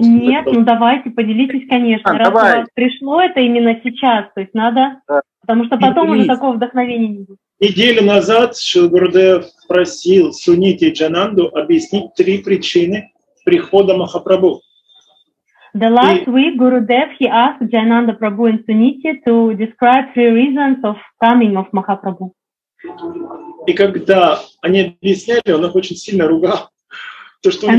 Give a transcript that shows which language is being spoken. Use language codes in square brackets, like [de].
[ru] Нет, ну давайте, поделитесь, конечно. Раз давай. У вас пришло это именно сейчас, то есть надо, потому что потом уже такого вдохновения не будет. Неделю назад Шрила Гурудев просил Сунити и Джананду объяснить три причины прихода Махапрабху. [en] The last week Gurudev, he asked Jananda Prabhu and Suniti to describe three reasons of coming of Mahaprabhu. [ru] И когда они объясняли, он их очень сильно ругал, то что